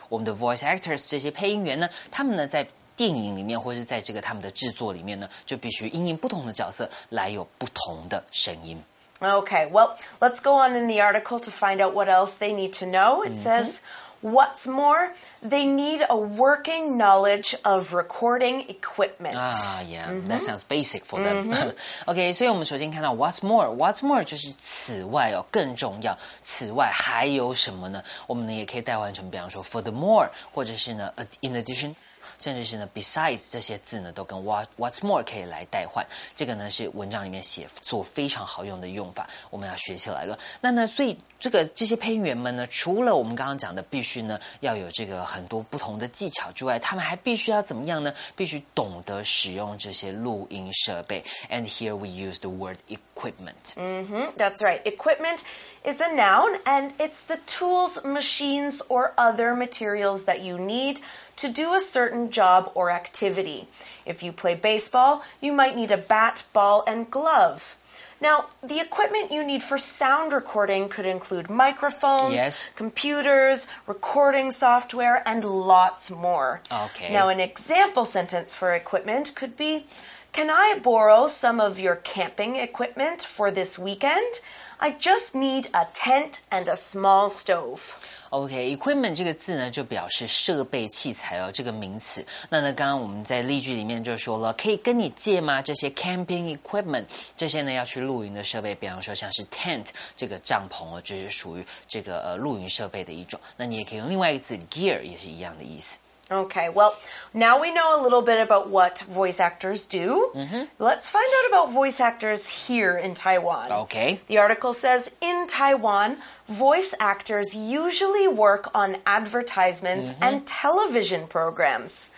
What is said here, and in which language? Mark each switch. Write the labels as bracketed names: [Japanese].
[Chinese] 我们的 voice actors 这些配音员呢，他们呢在电影里面或是在这个他们的制作里面呢，就必须因应不同的角色来有不同的声音。 [English] OK, well, let's go on in the article to find out what else they need to know. It says... What's more, they need a working knowledge of recording equipment. Ah, yeah,、mm-hmm. that sounds basic for them.、Mm-hmm. okay, 所以我们首先看到 what's more 就是此外哦，更重要。 [Chinese] 此外还有什么呢？我们呢也可以代换成，比方说 furthermore，或者是呢 in addition。甚至是呢 besides 这些字呢都跟 what's more 可以来代换，这个呢是文章里面写作非常好用的用法，我们要学起来了。那呢所以这些配音员们呢，除了我们刚刚讲的必须呢要有这个很多不同的技巧之外，他们还必须要怎么样呢？必须懂得使用这些录音设备。 [English] And here we use the word equipment. Mm-hmm, that's right. Equipment is a noun and it's the tools, machines or other materials that you needto do a certain job or activity. If you play baseball, you might need a bat, ball, and glove. Now, the equipment you need for sound recording could include microphones,、 yes. computers, recording software, and lots more. Okay. Now, an example sentence for equipment could be, Can I borrow some of your camping equipment for this weekend? I just need a tent and a small stove. [Chinese] OK,equipment、okay, 这个字呢就表示设备器材哦，这个名词。那呢刚刚我们在例句里面就说了，可以跟你借吗？这些 camping equipment，这些呢要去露营的设备，比方说像是 tent 这个帐篷哦，就是属于这个露营设备的一种。那你也可以用另外一个字 gear 也是一样的意思。 [English] Okay, well, now we know a little bit about what voice actors do.、 Mm-hmm. Let's find out about voice actors here in Taiwan. Okay. The article says, in Taiwan, voice actors usually work on advertisements、mm-hmm. and television programs.、